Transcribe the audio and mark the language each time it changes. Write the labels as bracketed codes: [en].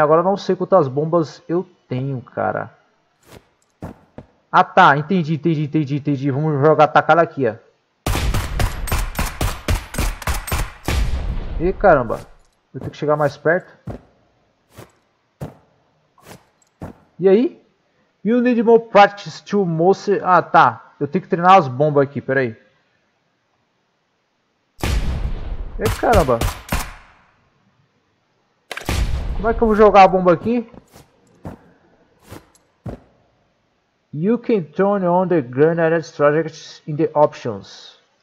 [pt] Agora eu não sei quantas bombas eu tenho, cara. Ah tá, entendi, entendi, entendi, entendi. Vamos jogar atacada aqui, ó. Ih, caramba. Eu tenho que chegar mais perto. E aí? [en] You need more practice to mostre. [pt] Ah tá, eu tenho que treinar as bombas aqui, peraí. Ih, caramba. Como é que eu vou jogar a bomba aqui? [en] You can turn on the grenade strategies in the options.